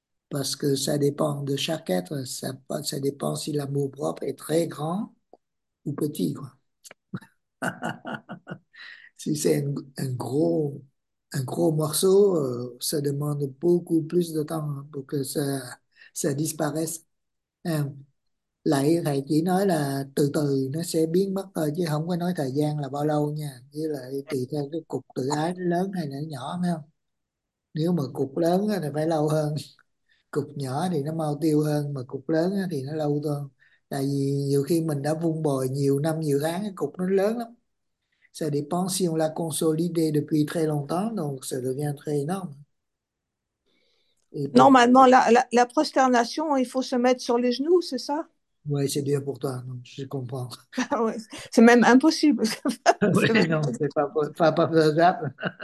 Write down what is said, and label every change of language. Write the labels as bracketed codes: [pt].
[fr] Parce que ça dépend de chaque être. Ça dépend si l'amour propre est très grand ou petit, quoi. Si c'est un gros morceau, ça demande beaucoup plus de temps pour que ça disparaisse. [vi] Lại thầy chỉ nói là từ từ nó sẽ biến mất thôi, chứ không có nói thời gian là bao lâu nha. Với lại tùy theo cái cục tự ái nó lớn hay là nó nhỏ, phải không? Nếu mà cục lớn thì phải lâu hơn, cục nhỏ thì nó mau tiêu hơn, mà cục lớn thì nó lâu hơn. Tại vì nhiều khi mình đã vun bồi nhiều năm, nhiều tháng, cái cục nó lớn lắm. [fr] Ça dépend si on l'a consolidé depuis très longtemps, donc ça devient très énorme. Et normalement, la prosternation, il faut se mettre sur les genoux, c'est ça? Oui, c'est dur pour toi, donc je comprends. C'est même impossible. Oui, même... non, c'est pas faisable.